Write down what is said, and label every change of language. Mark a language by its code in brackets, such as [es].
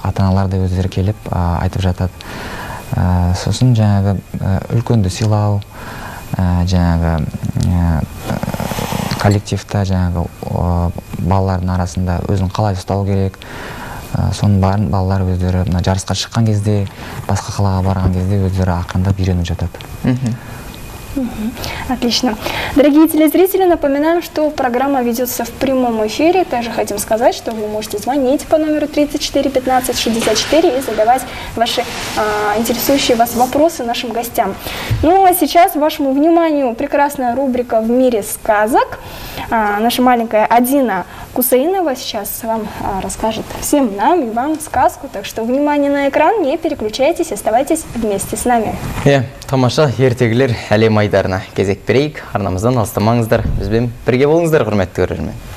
[kk] Ата-аналар да өздері келіп айтып жатады. Сосын жаңағы үлкенді сыйлау, жаңағы коллективта жаңағы балалардың арасында өзін қалай ұстау керек. Соның барын балалар өздері мына жарысқа шыққан кезде, басқа қалаға барған кезде өздері ақырындап үйреніп жатады. [ru] Отлично. Дорогие телезрители, напоминаем, что программа ведется в прямом эфире. Также хотим сказать, что вы можете звонить по номеру 34 15 64 и задавать ваши интересующие вас вопросы нашим гостям. Ну а сейчас вашему вниманию прекрасная рубрика «В мире сказок». Наша маленькая Адина Кусаинова сейчас вам расскажет всем нам и вам сказку. Так что внимание на экран, не переключайтесь, оставайтесь вместе с нами. [kk] Тамаша ертегілер әлем айдарына кезек берейік. Арнамыздан алыстамаңыздар. Бізбен бірге болыңыздар, құрметті көрермен.